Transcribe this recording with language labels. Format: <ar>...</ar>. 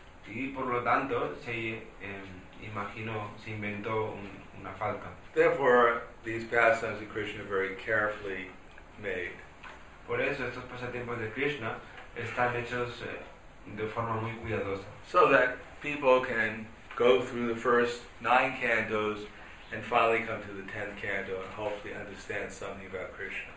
<es>Y por lo tanto, se imaginó, se inventó una falta.</es> <en>Therefore, these pastimes of Krishna are very carefully made.</en> <es>Por eso, estos pasatiempos de Krishna están hechos de forma muy cuidadosa.</es> <en>So that people can go through the first 9 cantos and finally come to the 10th canto and hopefully understand something about Krishna.</en>